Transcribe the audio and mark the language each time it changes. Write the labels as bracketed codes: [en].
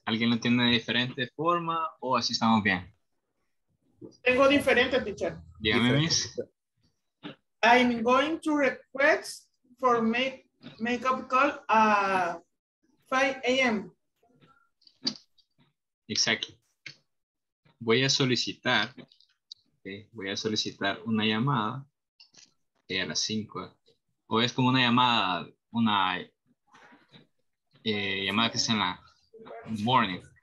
[es] ¿Alguien lo tiene de diferente forma o así estamos bien? Tengo diferente, [en] teacher. [es] Dígame, Miss. [en] I'm going to request for makeup call at 5 a.m. Exactly. [es] Voy a solicitar, okay, voy a solicitar una llamada a las 5. O es como una llamada, una llamada que es en la [en] morning.